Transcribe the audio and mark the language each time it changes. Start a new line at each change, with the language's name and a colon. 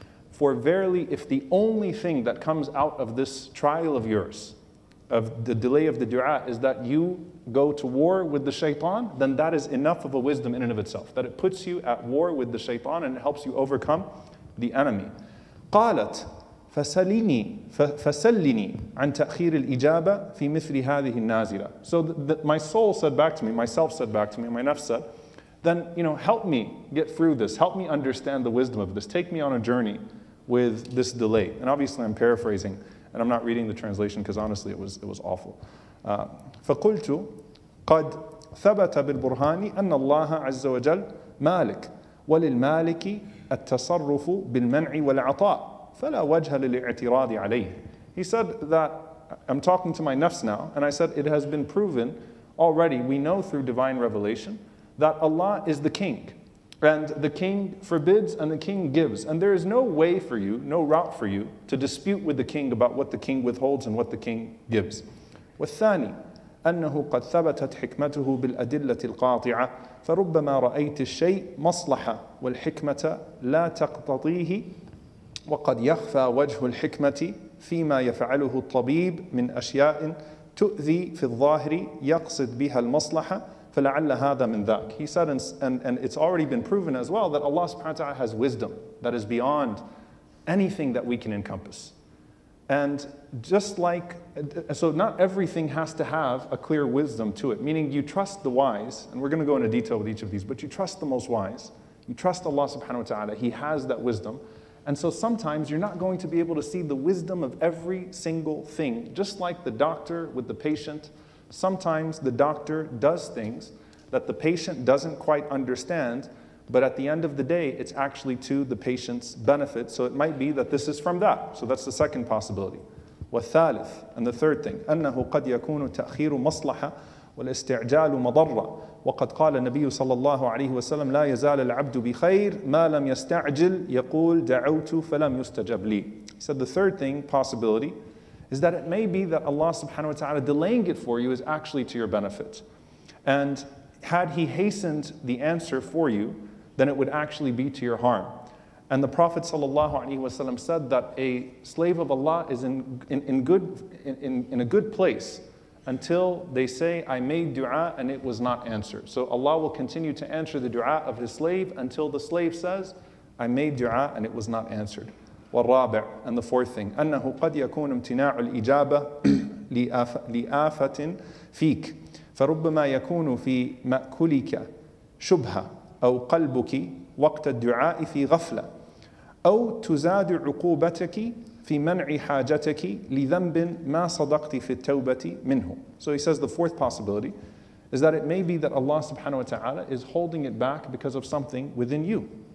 English: For verily, if the only thing that comes out of this trial of yours, of the delay of the dua is that you go to war with the shaitan, then that is enough of a wisdom in and of itself, that it puts you at war with the shaitan and it helps you overcome the enemy.
Arabic: قالت فسليني فسليني عن تأخير الإجابة في مثل هذه النازلة.
English: So my soul said back to me, myself said back to me, my nafs said, then, you know, help me get through this. Help me understand the wisdom of this. Take me on a journey with this delay. And obviously I'm paraphrasing and I'm not reading the translation because honestly it was awful.
Arabic: فقلت قد ثبت بالبرهان أن الله عز وجل مالك وللمالك التصرف بالمنع والعطاء فلا وجه للاعتراض عليه.
English: He said that, I'm talking to my nafs now, and I said, it has been proven already, we know through divine revelation, that Allah is the king, and the king forbids and the king gives. And there is no way for you, no route for you, to dispute with the king about what the king withholds and what the king gives.
Arabic: والثاني أنه قد ثبتت حكمته بالأدلة القاطعة فربما رأيت الشيء مصلحة والحكمة لا تقتضيه وقد يخفى وجه الحكمة فيما يفعله الطبيب من أشياء تؤذي في الظاهر يقصد بها المصلحة فلعل هذا من ذاك.
English: He said, and it's already been proven as well, that Allah subhanahu wa ta'ala has wisdom that is beyond anything that we can encompass. And just like, so not everything has to have a clear wisdom to it, meaning you trust the wise, and we're going to go into detail with each of these, but you trust the most wise, you trust Allah subhanahu wa ta'ala, He has that wisdom. And so sometimes you're not going to be able to see the wisdom of every single thing, just like the doctor with the patient. Sometimes the doctor does things that the patient doesn't quite understand, but at the end of the day, it's actually to the patient's benefit. So it might be that this is from that. So that's the second possibility.
Arabic: والثالث,
English: and the third thing,
Arabic: أنه قد يكون تأخير مصلحة والاستعجال مضرة. وقد قال النبي صلى الله عليه وسلم لا يزال العبد بخير ما لم يستعجل يقول دعوت فلم يستجب لي.
English: He said the third thing, possibility, is that it may be that Allah subhanahu wa ta'ala delaying it for you is actually to your benefit. And had He hastened the answer for you, then it would actually be to your harm. And the Prophet sallallahu alaihi wasallam said that a slave of Allah is in a good place until they say, I made dua and it was not answered. So Allah will continue to answer the dua of His slave until the slave says, I made dua and it was not answered.
Arabic: والرابع,
English: and the fourth thing,
Arabic: أنه قد يكون امتناع الإجابة لآفة فيك فربما يكون في مأكلك شبهة أو قلبك وقت الدعاء في غفلة أو تزاد عقوبتك في منع حاجتك لذنب ما صدقت في التوبة منه.
English: So he says the fourth possibility is that it may be that Allah subhanahu wa ta'ala is holding it back because of something within you.